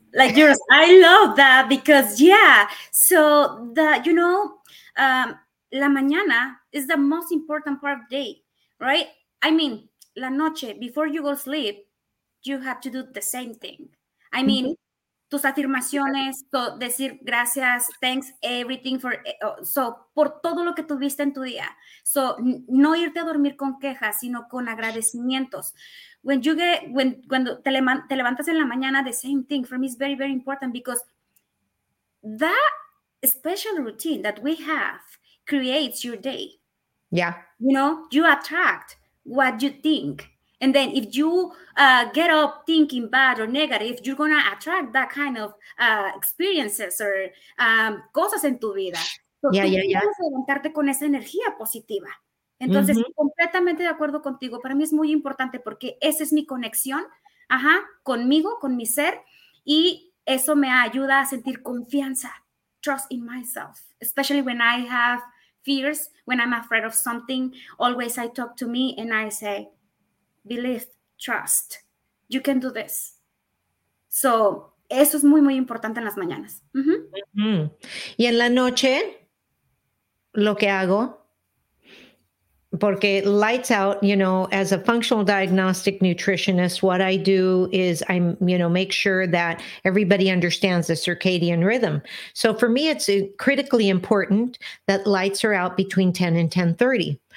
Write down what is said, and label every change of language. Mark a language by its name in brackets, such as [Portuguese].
[English] I love that la mañana is the most important part of the day, right? I mean, la noche, before you go sleep, you have to do the same thing. I mean, mm-hmm. [Spanish] tus afirmaciones, decir gracias, thanks, everything, for so por todo lo que tuviste en tu día. So, no irte a dormir con quejas, sino con agradecimientos. [English] When you get, cuando te levantas en la mañana, the same thing, for me is very, very important, because that special routine that we have creates your day. Yeah. You know, you attract what you think. And then if you get up thinking bad or negative, you're going to attract that kind of experiences or cosas en tu vida. [Spanish] Entonces, tú levantarte con esa energía positiva. Entonces, completamente de acuerdo contigo. Para mí es muy importante porque esa es mi conexión, conmigo, con mi ser. [English] Y eso me ayuda a sentir confianza, trust in myself, especially when I have fears, when I'm afraid of something. Always I talk to me and I say, believe, trust, you can do this. [Spanish] So, eso es muy, muy importante en las mañanas. [English] Y en la noche, lo que hago, porque lights out, you know, as a functional diagnostic nutritionist, what I do is I'm, you know, make sure that everybody understands the circadian rhythm. So for me, it's critically important that lights are out between 10 and 10:30.